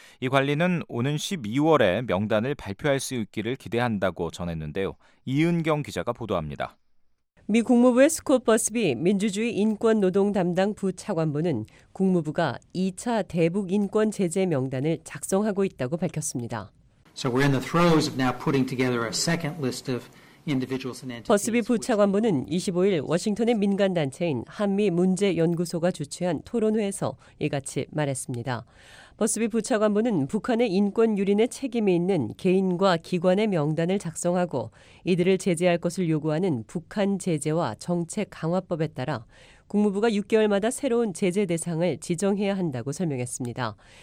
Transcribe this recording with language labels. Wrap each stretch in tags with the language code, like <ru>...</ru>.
<ko>이 관리는 오는 12월에 명단을 발표할 수 있기를 기대한다고 전했는데요. 이은경 기자가 보도합니다. 미 국무부의 스콧 버스비 민주주의 인권노동 담당 부차관보는 국무부가 2차 대북 인권제재 명단을 작성하고 있다고 밝혔습니다.</ko> <en>So we're in the throes of now putting together a second list of individuals and entities.</en> <ko>버스비 부차관보는 25일 워싱턴의 민간 단체인 한미 문제 연구소가 주최한 토론회에서 이같이 말했습니다. 버스비 부차관보는 북한의 인권 유린에 책임이 있는 개인과 기관의 명단을 작성하고 이들을 제재할 것을 요구하는 북한 제재와 정책 강화법에 따라 국무부가 6개월마다 새로운 제재 대상을 지정해야 한다고 설명했습니다.</ko>